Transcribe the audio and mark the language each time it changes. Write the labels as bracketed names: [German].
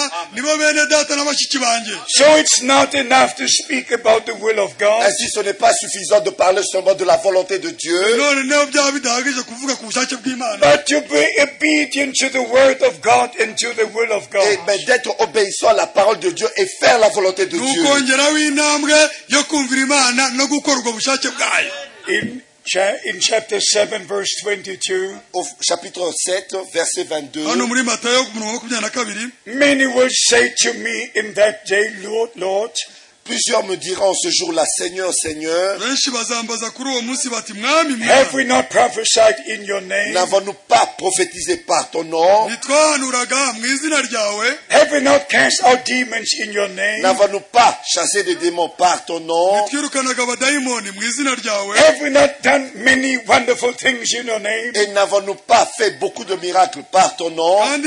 [English] So it's not enough to speak about the will of God. [French] Ainsi, ce n'est pas suffisant de parler seulement de la volonté de Dieu. [English] But to be obedient to the word of God and to the will of God. [French] Mais d'être obéissant à la parole de Dieu et faire la volonté de Dieu. [English] In chapter 7, verse 22. [French] Chapitre 7, verset 22. [English] Many will say to me in that day, Lord, Lord. [French] Plusieurs me diront ce jour-là, Seigneur, Seigneur, [English] have we not prophesied in your name? [French] N'avons-nous pas prophétisé par ton nom? [English] Have we not cast out demons in your name? [French] N'avons-nous pas chassé des démons par ton nom? [English] Have we not done many wonderful things in your name? [French] Et n'avons-nous pas fait beaucoup de miracles par ton nom?